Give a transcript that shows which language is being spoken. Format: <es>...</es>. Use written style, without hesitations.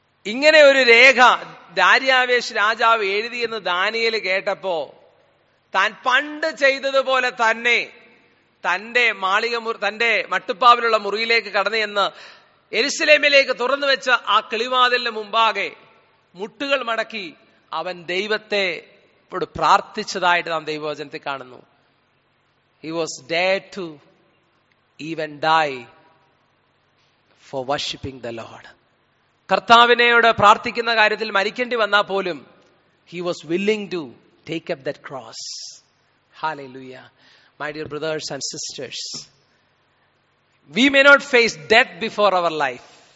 <ml>ഇങ്ങനെ ഒരു രേഖ ദാര്യാവേശ് രാജാവ് എഴുതിയെന്ന് ദാനിയൽ കേട്ടപ്പോ താൻ പണ്ട് ചെയ്തതുപോലെ തന്നെ തന്റെ മാളിക തന്റെ മട്ടുപ്പാവിലുള്ള മുറിയിലേക്ക് കടന്നുചെന്ന് എരുസലേമിലേക്ക് തുറന്നു വെച്ച ആ കിളിവാതിലിന് മുമ്പാകെ മുട്ടുകൾ മടക്കി അവൻ ദൈവത്തെ പ്രാർത്ഥിച്ചതായിട്ട് നാം ദൈവവചനത്തിൽ കാണുന്നു.</ml> <en>He was dared to even die for worshipping the Lord.</en> <ml>കർത്താവിനോട് പ്രാർത്ഥിക്കുന്ന കാര്യത്തിൽ മരിക്കേണ്ടി വന്നാൽ പോലും</ml> <en>He was willing to take up that cross. Hallelujah. My dear brothers and sisters, we may not face death before our life.</en>